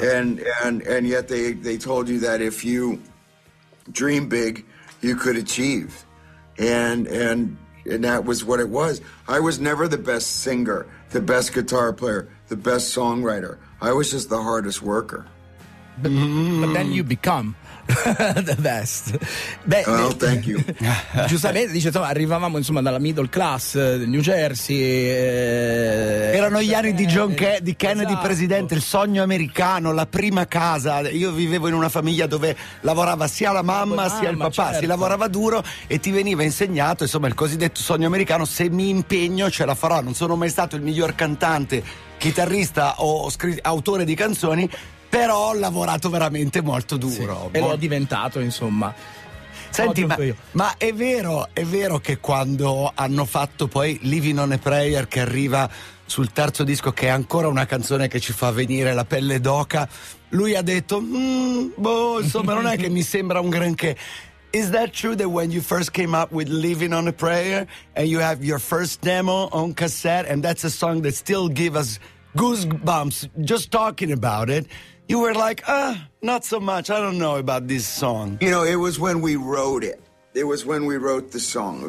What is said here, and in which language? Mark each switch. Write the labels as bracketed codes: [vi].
[en] And yet they told you that if you dream big, you could achieve. And that was what it was. I was never the best singer, the best guitar player, the best songwriter. I was just the hardest worker. But then you become the best. Well, thank you. [it] Giustamente dice, insomma, arrivavamo insomma dalla middle class del New Jersey. Erano gli anni di John di Kennedy, esatto. Presidente, il sogno americano, la prima casa. Io vivevo in una famiglia dove lavorava sia la mamma sia il papà, certo. Si lavorava duro e ti veniva insegnato, insomma, il cosiddetto sogno americano: se mi impegno ce la farò. Non sono mai stato il miglior cantante, chitarrista o autore di canzoni, però ho lavorato veramente molto duro. Sì, e l'ho diventato, insomma. Senti, ma è vero che quando hanno fatto poi Living on a Prayer, che arriva sul terzo disco, che è ancora una canzone che ci fa venire la pelle d'oca, lui ha detto insomma non è che mi sembra un granché. [en] Is that true that when you first came up with Living on a Prayer and you have your first demo on cassette and that's a song that still give us goosebumps just talking about it, you were like, not so much, I don't know about this song? You know, it was when we wrote it. It was when we wrote the song.